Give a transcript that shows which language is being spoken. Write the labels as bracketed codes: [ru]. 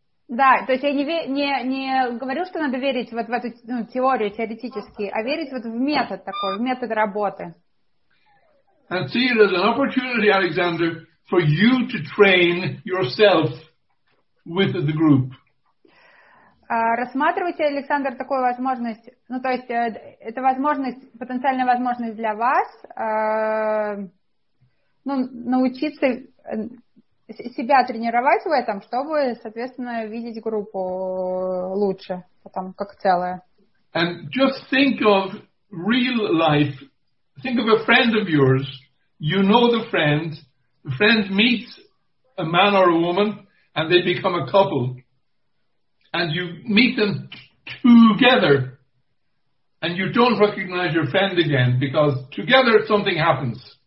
[ru] Да, то есть я не говорю, что надо верить вот в эту теорию теоретически, а верить вот в метод такой, в метод работы. [en] And see it as an opportunity, Alexander, for you to train yourself with the group. [ru] Рассматривайте, Александр, такую возможность, ну, то есть это возможность, потенциальная возможность для вас, ну, научиться себя тренировать в этом, чтобы, соответственно, видеть группу лучше, потом, как целое. [en] And just think of real life, think of a friend of yours, you know the friend meets a man or a woman, and they become a couple. And you meet them together, and you don't recognize your friend again because together something happens.